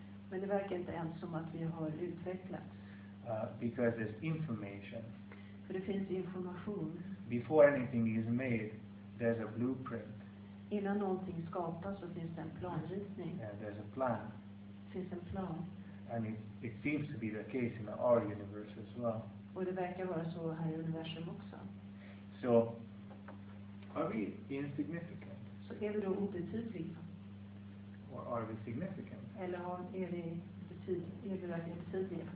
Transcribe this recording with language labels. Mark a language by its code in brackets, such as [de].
[sv] Men det verkar inte ens som att vi har utvecklats. [en] Because there's information. [sv] För det finns information. [en] Before anything is made, there's a blueprint. [sv] Innan någonting skapas så finns det en planritning. [en] Yeah, there's a plan. [sv] Finns en plan. [en] And it seems to be the case in our universe as well. [sv] Och det verkar vara så här i universum också. [en] So, are we insignificant? [sv] Så är vi då obetydliga? [en] Or are we significant? [sv] Eller är vi verkligen betydliga?